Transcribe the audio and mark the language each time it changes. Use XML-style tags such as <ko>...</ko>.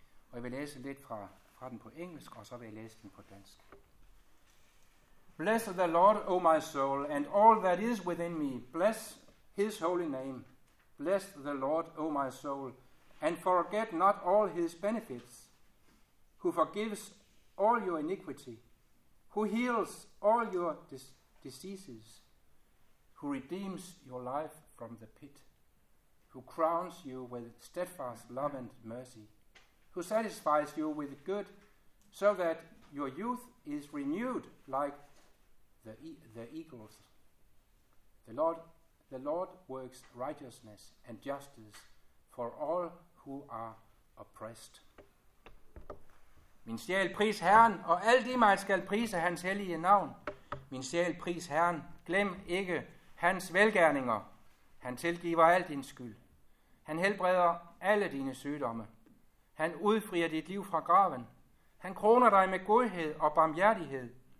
<da>Og jeg vil læse lidt fra den på engelsk, og så vil jeg læse den på dansk.</da> <en>Bless the Lord, O my soul, and all that is within me. Bless his holy name. Bless the Lord, O my soul, and forget not all his benefits, who forgives all your iniquity, who heals all your diseases, who redeems your life from the pit, who crowns you with steadfast love and mercy, who satisfies you with good, so that your youth is renewed like the eagles. The Lord works righteousness and justice for all who are oppressed.</en> <da>Min sjæl pris Herren, og alt i mig skal prise hans hellige navn. Min sjæl pris Herren, glem ikke hans velgerninger. Han tilgiver al din skyld. Han helbreder alle dine sygdomme. Han udfrier dit liv fra graven. Han kroner dig med godhed og barmhjertighed.</da>